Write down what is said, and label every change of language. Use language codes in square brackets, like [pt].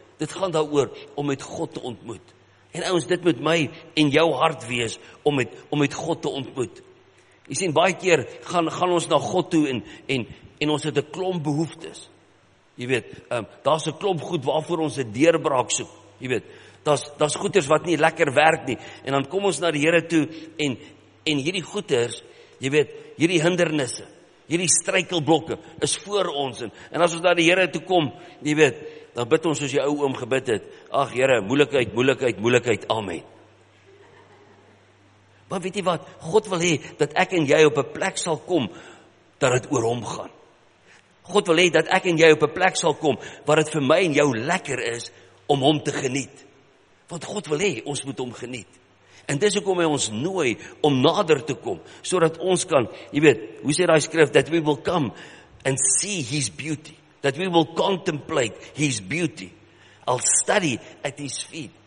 [af] Dit gaan daaroor om met God te ontmoet. En ouens, dit moet my en jou hart wees om met God te ontmoet. Jy sien, baie keer gaan ons na God toe en ons het 'n klomp behoeftes. Jy weet, daar's 'n klomp goed waarvoor ons 'n deurbraak soek, jy weet. Daar's goeders wat nie lekker werk nie, en dan kom ons na die Here toe en hierdie goeders, jy weet, hierdie hindernisse, hierdie struikelblokke is voor ons. En as ons na die Here toe kom, jy weet, dan bid ons soos die ou oom gebid het. Ag Here, moeilikheid, moeilikheid, moeilikheid, amen. Maar weet jy wat? God wil hê dat ek en jy op 'n plek sal kom dat dit oor hom gaan. God wil hê dat ek en jy op 'n plek sal kom waar dit vir my en jou lekker is om hom te geniet. Want God wil hê ons moet hom geniet. En dis hoekom hy ons nooi om nader te kom, sodat ons kan, jy weet, hoe sê daai skrif, [en] that we will come and see his beauty, that we will contemplate his beauty, I'll study at his feet.